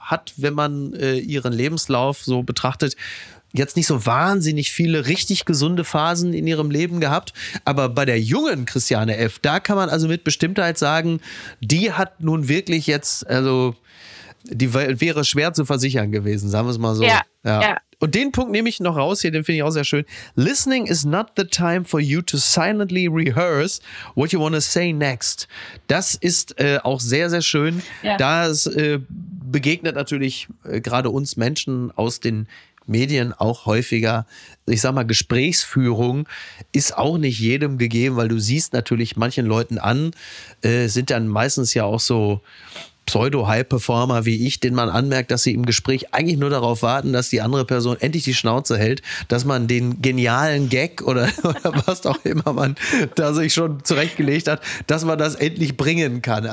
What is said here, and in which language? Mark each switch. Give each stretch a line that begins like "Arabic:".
German: hat, wenn man ihren Lebenslauf so betrachtet, jetzt nicht so wahnsinnig viele richtig gesunde Phasen in ihrem Leben gehabt, aber bei der jungen Christiane F., da kann man also mit Bestimmtheit sagen, die hat nun wirklich jetzt, also die wäre schwer zu versichern gewesen, sagen wir es mal so. Ja, ja. Und den Punkt nehme ich noch raus hier, den finde ich auch sehr schön.
English: Listening is not the time for you to silently rehearse what you want to say next.
German: Das ist auch sehr, sehr schön. Ja. Das begegnet natürlich gerade uns Menschen aus den Medien auch häufiger, ich sag mal, Gesprächsführung ist auch nicht jedem gegeben, weil du siehst natürlich manchen Leuten an, sind dann meistens ja auch so Pseudo-High-Performer wie ich, denen man anmerkt, dass sie im Gespräch eigentlich nur darauf warten, dass die andere Person endlich die Schnauze hält, dass man den genialen Gag oder was auch immer man da sich schon zurechtgelegt hat, dass man das endlich bringen kann.